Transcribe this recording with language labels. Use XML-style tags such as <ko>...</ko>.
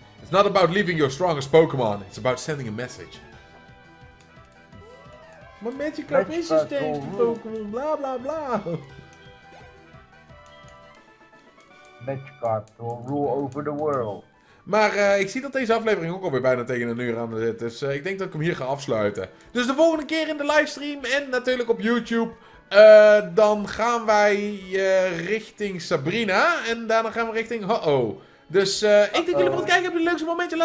<en>It's not about leaving your strongest Pokémon, it's about sending a message.</en> <nl>Maar Magikarp is een sterkste Pokémon, bla bla bla.</nl> <en>Magikarp will rule over the world.</en> <nl>Maar ik zie dat deze aflevering ook alweer bijna tegen een uur aan zit. Dus ik denk dat ik hem hier ga afsluiten. Dus de volgende keer in de livestream en natuurlijk op YouTube. Dan gaan wij richting Sabrina. En daarna gaan we richting Ho-Oh. Dus ik denk jullie voor het kijken. Heb je een leukste momentje?</nl>